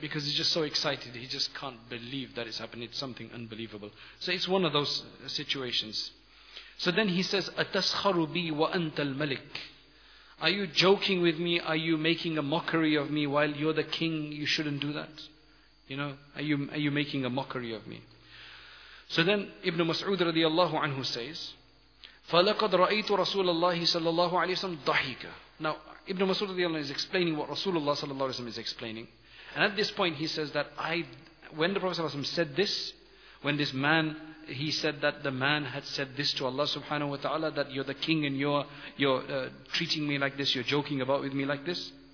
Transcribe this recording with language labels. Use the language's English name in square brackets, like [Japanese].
[English] Because he's just so excited, he just can't believe that it's happened. It's something unbelievable. So it's one of those situations. So then he says, [Arabic] أَتَسْخَرُ بِي وَأَنْتَ الْمَلِكُ. [English] Are you joking with me? Are you making a mockery of me while you're the king? You shouldn't do that. You know, are you making a mockery of me? So then Ibn Mas'ud radiallahu anhu says, [Arabic] فَلَقَدْ رَأَيْتُ رَسُولَ اللَّهِ صَلَّى اللَّهُ عَلَيْهِ وَسَلَّمْ ضَحِكَ. [English] Now Ibn Mas'ud radiallahu anhu is explaining what Rasulullah صلى الله عليه وسلم is explaining. And at this point he says that when the Prophet صلى الله عليه وسلم said this, when this man, he said that the man had said this to Allah subhanahu wa ta'ala, that you're the king and you're treating me like this, you're joking about with me like this.